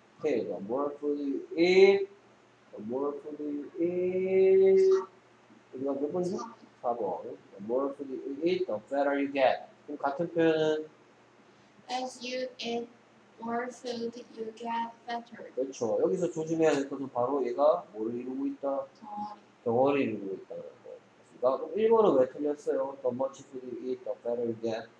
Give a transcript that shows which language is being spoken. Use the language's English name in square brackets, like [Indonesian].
[English] 오케이 the more food you eat The more food you eat, [Korean] 이거 몇 번이죠? 4번. [English] The more food you eat, the fatter you get. [Korean] 그럼 같은 표현은? [English] As you eat more food, you get fatter. [Korean] 그렇죠. 여기서 조심해야 될 것은 바로 얘가 뭘 이루고 있다? 덩어리. 덩어리 이루고 있다. 그러니까 1번은 왜 틀렸어요? [English] The much food you eat, the fatter you get.